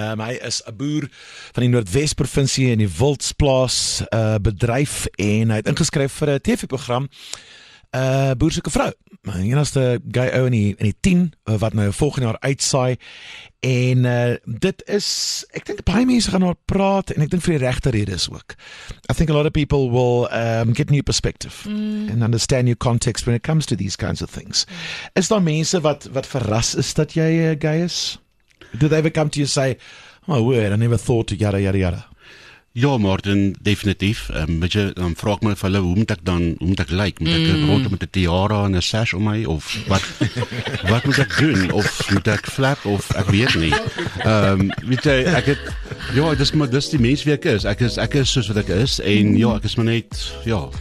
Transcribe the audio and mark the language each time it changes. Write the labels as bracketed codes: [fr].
[af] Hy is 'n boer van die Noordwes-provinsie in die Wildsplaas bedryf en hy het ingeskryf vir 'n TV-program Boerseke Vrou. Hy is die guy ou in die 10 wat nou volgende jaar uitsaai. En dit is, ek dink baie mense gaan oor praat en ek dink vir die regte redes ook. [en] I think a lot of people will get new perspective and understand new context when it comes to these kinds of things. [af] Is daar mense wat verras is dat jy gay is? [en] Do they ever come to you say, my word, I never thought to yada yada yada? [af] Ja, Martin, definitief. Je, dan vraag ek my vir hulle, hoe moet ek lyk? Moet ek rondom met 'n tiara en 'n sash om my? Of wat, wat moet ek doen? Of moet ek flap? Of ek weet nie. Weet jy, ek het, ja, dis die mens wie ek is. Ek is soos wat ek is. En ja, ek is maar net, ja.